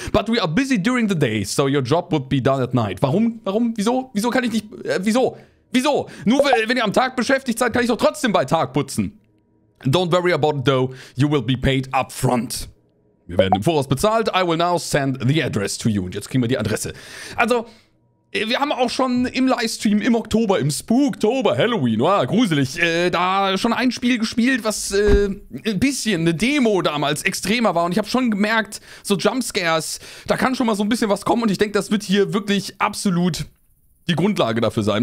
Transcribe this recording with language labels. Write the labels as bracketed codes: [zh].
[en] But we are busy during the day, so your job would be done at night. [de] Warum? Warum? Wieso? Wieso kann ich nicht? Wieso? Wieso? Nur wenn ihr am Tag beschäftigt seid, kann ich doch trotzdem bei Tag putzen. [en] Don't worry about it though, you will be paid up front. [de] Wir werden im Voraus bezahlt, [en] I will now send the address to you. [de] Und jetzt kriegen wir die Adresse. Also, wir haben auch schon im Livestream im Oktober, im Spooktober, Halloween, wow, gruselig, da schon ein Spiel gespielt, was ein bisschen eine Demo damals extremer war. Und ich habe schon gemerkt, so Jumpscares, da kann schon mal so ein bisschen was kommen. Und ich denke, das wird hier wirklich absolut die Grundlage dafür sein.